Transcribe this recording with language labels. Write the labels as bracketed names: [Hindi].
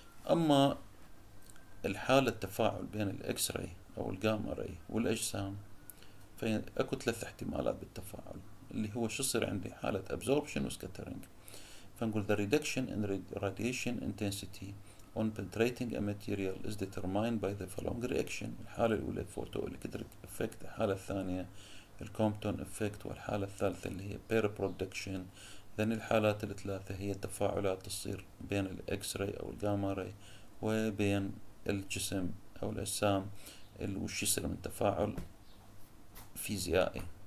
[Arabic] أما الحالة التفاعل بين الإكس راي أو الجاما راي والأجسام، فأكو ثلاث احتمالات بالتفاعل، اللي هو شو صير عندي حالة absorption وscattering. فنقول [English] the reduction in radiation intensity on penetrating a material is determined by the following reaction. [Arabic] الحالة الأولى photoelectric effect, الحالة الثانية الكومبتون effect, والحالة الثالثة اللي هي pair production. ذن الحالات الثلاثة هي التفاعلات تصير بين الإكس راي أو الجاما راي وبين الجسم أو الأجسام اللي وش يصير من تفاعل فيزيائي.